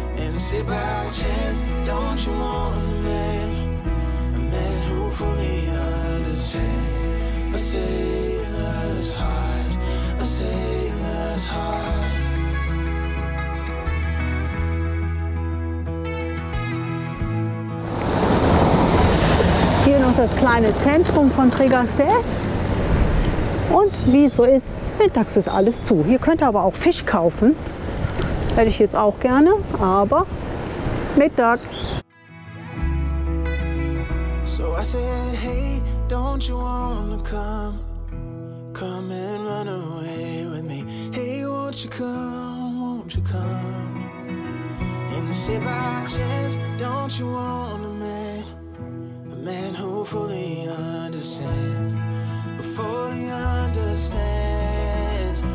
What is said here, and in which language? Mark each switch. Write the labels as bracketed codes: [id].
[en] Say by chance, don't you want a man who fully understands a sailor's heart, a sailor's heart. [de] Hier noch das kleine Zentrum von Trégastel. Und wie es so ist, mittags ist alles zu. Hier könnt ihr aber auch Fisch kaufen. Hätte ich jetzt auch gerne, aber Mittag. [en] So I said, hey, don't you wanna come? Come and run away with me. Hey, won't you come? Won't you come? And say by chance, don't you want a man who fully understands, who fully understands.